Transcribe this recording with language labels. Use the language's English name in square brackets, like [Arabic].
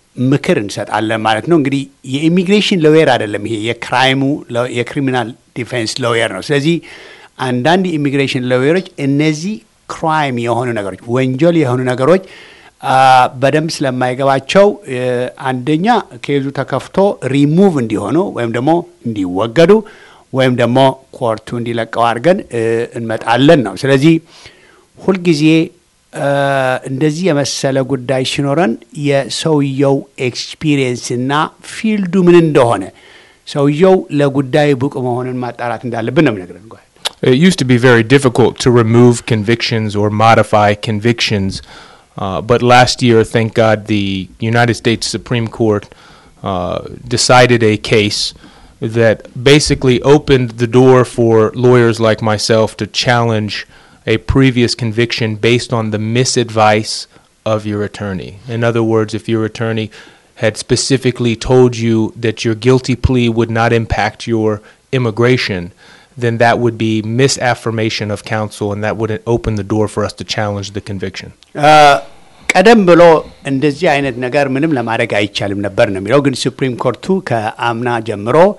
[Amharic] ምክር እንሰጣለን ማለት ነው እንግዲህ የኢሚግሬሽን ሎየር አይደለም ይሄ የክራይሙ የክሪሚናል ዲፌንስ ሎየር ነው ስለዚህ አንዳንድ ኢሚግሬሽን ሎየሮች እነዚህ ክራይም የሆኑ ነገሮች ወንጀል የሆኑ ነገሮች በደም ስለማይገባቸው አንደኛ ኬዙ ተከፍቶ ሪሙቭ እንዲሆኑ ወይም ደግሞ እንዲወገዱ ወይም ደግሞ ኮርቱ እንዲለቀው አርገን እንመጣለን ነው ስለዚህ ሁልጊዜ እንደዚህ የመሰለ ጉዳይ ሲኖረን የሰውየው ኤክስፒሪየንስ እና ፊልዱ ምን እንደሆነ ሰውየው ለጉዳይ ብቁ መሆኑን ማጣራት እንዳለብን ነው ነገር እንኳን [English] It used to be very difficult to remove convictions or modify convictions, but last year, thank God, the United States Supreme Court decided a case that basically opened the door for lawyers like myself to challenge a previous conviction based on the misadvice of your attorney. In other words, if your attorney had specifically told you that your guilty plea would not impact your immigration, then that would be misaffirmation of counsel and that wouldn't open the door for us to challenge the conviction. [Amharic] ቀደም ብሎ እንደዚህ አይነት ነገር ምንም ለማድረግ አይቻልም ነበር ነው የሚለው ግን ሱፕሪም ኮርቱ ከአምና ጀምሮ